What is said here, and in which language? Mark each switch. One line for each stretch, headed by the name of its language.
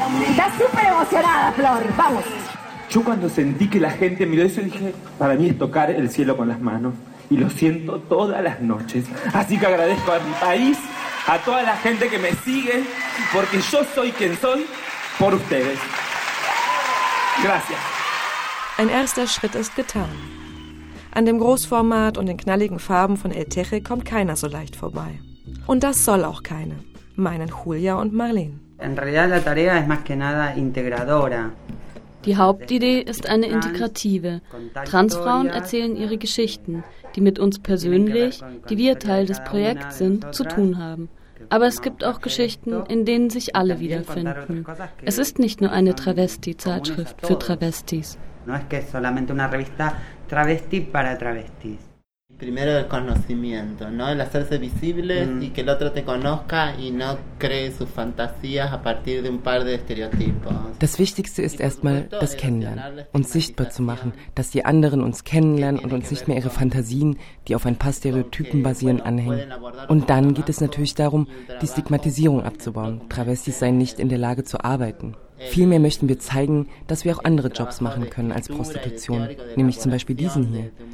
Spanish: Está súper emocionada, Flor. Vamos. Yo cuando sentí que la gente miró eso, dije, para mí es tocar el cielo con las manos. Y lo siento todas las noches. Así que agradezco a mi país, a toda la gente que me sigue, porque yo soy quien soy por ustedes. Gracias.
German: Ein erster Schritt ist getan. An dem Großformat und den knalligen Farben von El Teje kommt keiner so leicht vorbei. Und das soll auch keine, meinen Julia und Marlene. Die Hauptidee ist eine integrative. Transfrauen erzählen ihre Geschichten, die mit uns persönlich, die wir Teil des Projekts sind, zu tun haben. Aber es gibt auch Geschichten, in denen sich alle wiederfinden. Es ist nicht nur eine Travesti-Zeitschrift für Travestis.
Spanish: No es que es solamente una revista travesti para travestis. Primero el conocimiento, ¿no? El hacerse visible y que el otro te conozca y no cree sus fantasías a partir de un par de estereotipos.
German: Das Wichtigste ist erstmal das Kennenlernen, uns sichtbar zu machen, dass die anderen uns kennenlernen und uns nicht mehr ihre Fantasien, die auf ein paar Stereotypen basieren, anhängen. Und dann geht es natürlich darum, die Stigmatisierung abzubauen. Travestis seien nicht in der Lage zu arbeiten. Vielmehr möchten wir zeigen, dass wir auch andere Jobs machen können als Prostitution, nämlich zum Beispiel diesen hier.